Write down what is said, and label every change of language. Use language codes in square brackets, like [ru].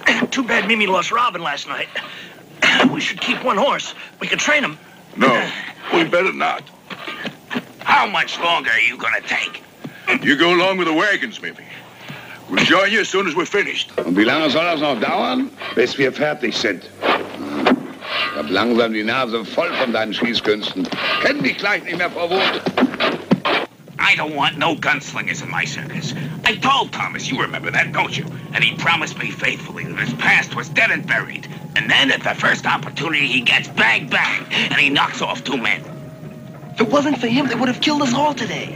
[en] Too bad Mimi lost Robin last night. We should keep one horse. We could train him. No, we better not. How much longer are you gonna take? You go along with the wagons, maybe. We'll join you as soon as we're finished. [de] Und wie lange soll das noch dauern? Bis wir fertig sind. Ich hab langsam die Nase voll von deinen Schießkünsten. Kenn dich gleich nicht mehr vor Wut. [en] I don't want no gunslingers in my circus. I told Thomas, you remember that, don't you? And he promised me faithfully that his past was dead and buried. And then at the first opportunity he gets bang, bang, and he knocks off two men. If it wasn't for him, they would have killed us all today.